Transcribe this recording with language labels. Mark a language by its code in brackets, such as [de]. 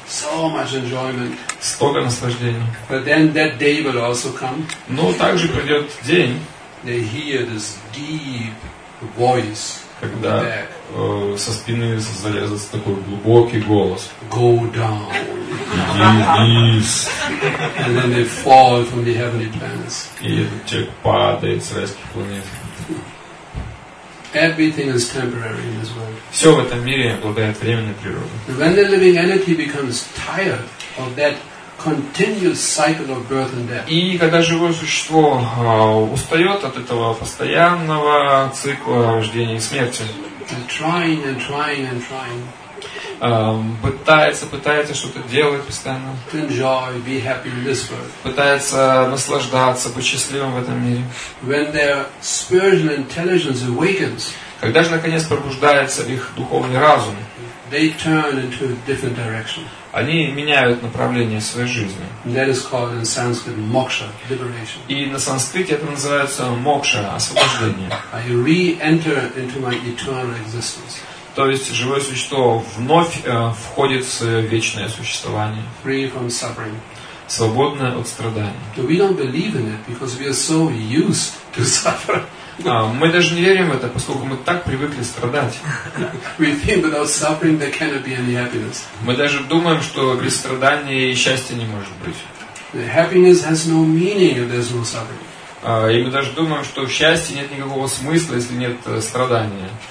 [en] So much enjoyment. [ru] Столько наслаждений. [en] But then that day will also come. [ru] Но также придет день. [en] They hear this deep voice. [ru] Когда со спины залезет такой глубокий голос. [en] Go down. [ru] Иди вниз. [en] And then they fall from the heavenly planets. [ru] И этот человек падает с райских планет. [en] Everything is temporary in this world. [ru] Все в этом мире обладает временной природой. [en] When the living entity becomes tired of that continuous cycle of birth and death. [ru] И когда живое существо устает от этого постоянного цикла рождения и смерти. [en] Trying and trying and trying. [ru] Пытается что-то делать постоянно. [en] To enjoy, be happy in this world. [ru] Пытается наслаждаться, быть счастливым в этом мире. [en] When their spiritual intelligence awakens. [ru] Когда же наконец пробуждается их духовный разум. [en] They turn into a different direction. [ru] Они меняют направление своей жизни. [en] That is called in Sanskrit moksha, liberation. [ru] И на санскрите это называется мокша, освобождение. [en] I re-enter into my eternal existence. [ru] То есть живое существо вновь входит в свое вечное существование. [en] Free from suffering. [ru] Свободное от страданий. [en] So we don't believe in it because we are so used to suffer. [ru] Мы даже не верим в это, поскольку мы так привыкли страдать. Мы даже думаем, что без страдания и счастья не может быть. И мы даже думаем, что в счастье нет никакого смысла, если нет страдания.